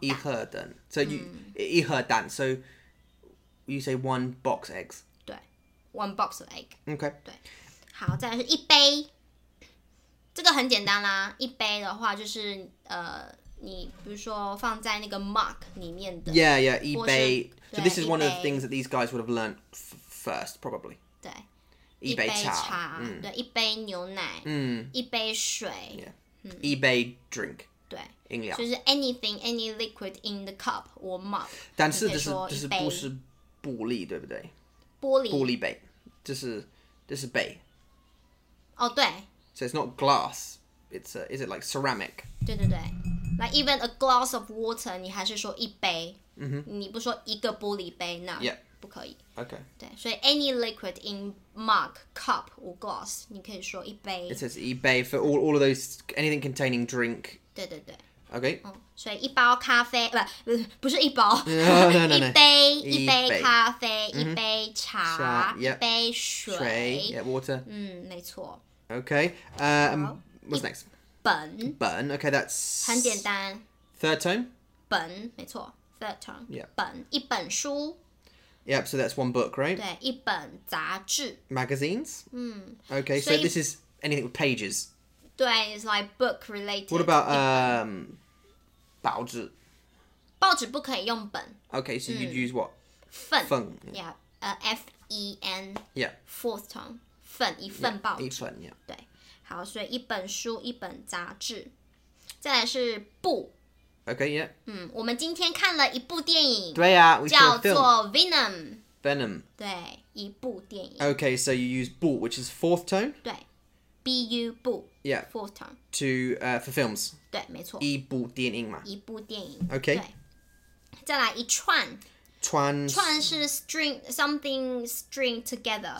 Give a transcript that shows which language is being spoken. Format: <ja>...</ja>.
<zh>一盒蛋，</zh> <en>so一盒蛋， so you say one box eggs. 对， one box of egg. Okay.</en> <zh>对，好，再来是一杯，这个很简单啦。一杯的话就是你比如说放在那个 mug 里面的。</zh> <en>Yeah, yeah. 一杯。 So this is one of the things that these guys would have learned first, probably.</en> <zh>对。一杯茶，对，一杯牛奶，一杯水，</zh> <en>yeah. 一杯 drink，</en> <zh>对，饮料，就是</zh> <en>anything any liquid in the cup or mug。</en> <zh>但是这是不是玻璃，对不对？玻璃杯，这是杯。哦，对。</zh> <en>So it's not glass. It's is it like ceramic？</en> <zh>对对对 ，</zh> <en>like even a glass of water，</en> <zh>你还是说一杯，你不说一个玻璃杯 ，no。</zh> <en>Yeah.</en> <zh>不可以。</zh> <en>Okay.</en> <zh>对，所以</zh> <en>any liquid in mug, cup or glass,</en> <zh>你可以说一杯。</zh> <en>It says 一杯 for all of those anything containing drink.</en> <zh>对对对。</zh> <en>Okay.</en> <zh>所以一包咖啡不是一包，</zh> <en>no, no, no,</en> <zh>一杯咖啡， mm-hmm. 一杯茶，</zh> <en>yep.</en> <zh>一杯水，</zh> <en>yeah, water.</en> <zh>没错。</zh> <en>Okay. What's next?</en> <zh>本。</zh> <en>本 ，Okay, that's</en> <zh>很简单。</zh> <en>Third tone.</en> <zh>本，没错 ，</zh> <en>third tone. Yeah.</en> <zh>本，一本书。</zh> <en>Yep, so that's one book, right?</en> <zh>对，一本杂志。</zh> <en>Magazines? Okay, so this is anything with pages. 对， it's like book related. What about, 报纸？</en> <zh>报纸不可以用本。</zh> <en>Okay, so you'd use what?</en> <zh>份。份。</zh> <en>Yeah, F-E-N. Yeah. Fourth tone.</en> <zh>份，一份报纸。</zh> <en>Yeah, 一份， yeah.</en> <zh>对，好，所以一本书，一本杂志。再来是布。</zh> <en>Okay, yeah.</en> <zh>我们今天看了一部电影。对啊，叫做 Venom.</zh> <en>Venom.</en> <zh>对，一部电影。</zh> <en>Okay, so you use 部 which is fourth tone.</en> <zh>对 ，bu 部。</zh> <en>Yeah. Fourth tone. To for films.</en> <zh>对，没错。一部电影嘛。一部电影。</zh> <en>Okay.</en> <zh>对。再来一串。串。串是</zh> <en>string something string together.</en>